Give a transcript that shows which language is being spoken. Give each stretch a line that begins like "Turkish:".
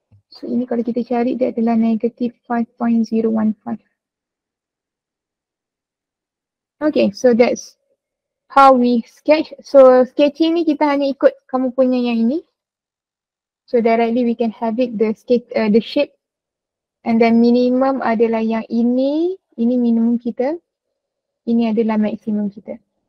Malay: So ini kalau kita cari dia adalah negative 5.015.
English: Okay, so that's how we sketch.
Malay: So sketching ni kita hanya ikut kamu punya yang ini.
English: So directly we can have it the sketch, the shape.
Malay: And then minimum adalah yang ini. Ini minimum kita. Ini adalah maximum kita.